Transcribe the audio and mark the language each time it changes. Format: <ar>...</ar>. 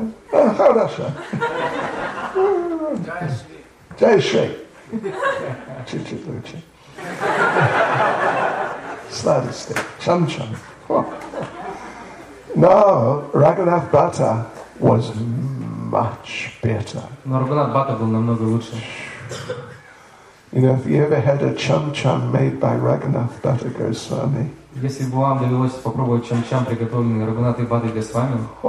<en>How does it? Jayashree. Chichiluchi. Slide a stick. Chum chum. No, Raghunath Bhatta was much better.</en> <ru>Но Раганат Бхатта был намного лучше.</ru> <en>You know, if you ever had a chum chum made by Raghunath Bhatta Goswami.</en> <ru>Если бы вам довелось попробовать чам чам, приготовленный Рагунатхой Бхаттой Госвами,</ru>